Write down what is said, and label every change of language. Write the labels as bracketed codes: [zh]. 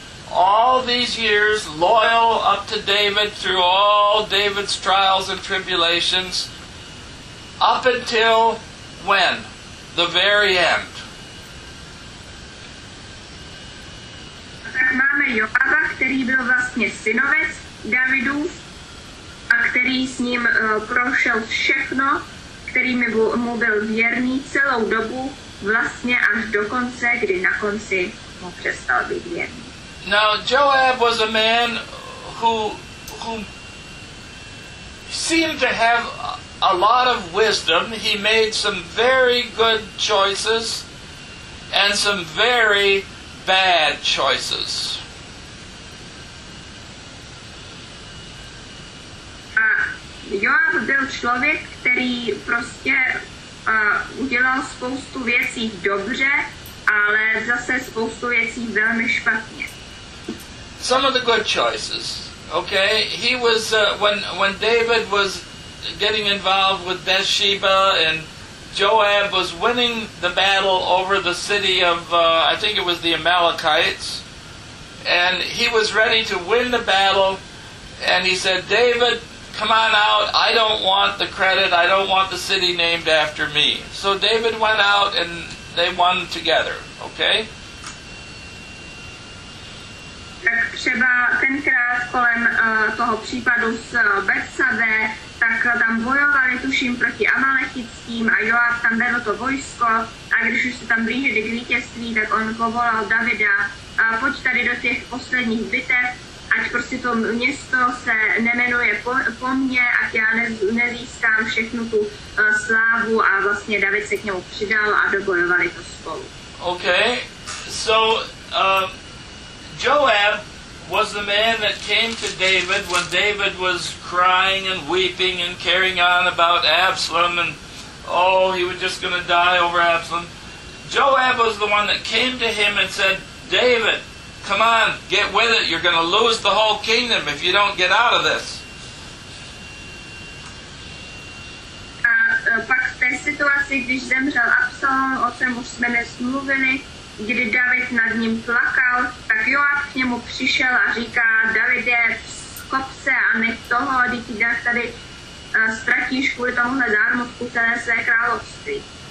[en] All these years, loyal up to David through all David's trials and tribulations, up until when? The very end. [cs] Tak máme Joaba, který byl vlastně synovec Davidův a který s ním prošel všechno, který mu byl věrný celou dobu, vlastně až do konce, kdy na konci mu přestal být věrný. [en] Now, Joab was a man who seemed to have a lot of wisdom. He made some very good choices and some very bad choices. [cs] Joab byl člověk, který prostě udělal spoustu věcí dobře, ale zase spoustu věcí velmi špatně. [en] Some of the good choices, okay? He was, when David was getting involved with Bathsheba and Joab was winning the battle over the city of, I think it was the Amalekites, and he was ready to win the battle, and he said, "David, come on out, I don't want the credit, I don't want the city named after me." So David went out and they won together, okay? [cs] Tak třeba tenkrát kolem toho případu s Betsabé, tak tam bojovali, tuším, proti Amalekickým a Joab tam vedl to vojsko a když už se tam blížili k vítězství, tak on povolal Davida, pojď tady do těch posledních bitev, ať prostě to město se nemenuje po mně, ať já nezískám všechnu tu slávu a vlastně David se k němu přidal a dobojovali to spolu. [en] Okay, so... Joab was the man that came to David when David was crying and weeping and carrying on about Absalom and, oh, he was just going to die over Absalom. Joab was the one that came to him and said, "David, come on, get with it. You're going to lose the whole kingdom if you don't get out of this." [cs] Pak v té situaci, když zemřel Absalom, o čem už jsme nesmluvili, kdy David nad ním plakal, tak Joab k němu přišel a říká, "Davide, skop se a nech toho, když ti tady ztratíš kvůli tomuhle zármutku celé své království."